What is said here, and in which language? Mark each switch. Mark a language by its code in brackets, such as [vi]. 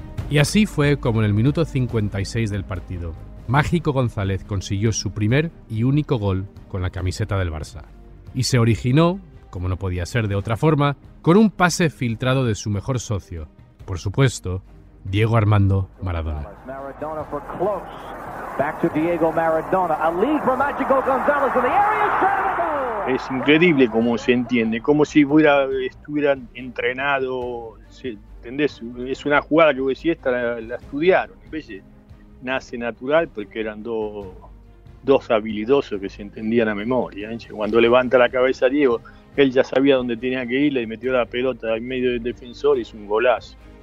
[es] Y así fue como en el minuto 56 del partido, Mágico González consiguió su primer y único gol con la camiseta del Barça. Y se originó, como no podía ser de otra forma, con un pase filtrado de su mejor socio, por supuesto, Diego Armando Maradona. [en] Maradona for close. Back to Diego Maradona. A lead for Mágico González in the area. Shot and a goal. [es] Es increíble cómo se entiende, como si estuvieran entrenados, ¿entendés? Es una jugada que vos decís, esta la estudiaron. En vez de, nace natural porque eran dos habilidosos que se entendían a memoria, ¿eh? Cuando levanta la cabeza Diego, él ya sabía dónde tenía que ir, le metió la pelota en medio del defensor y es un golazo.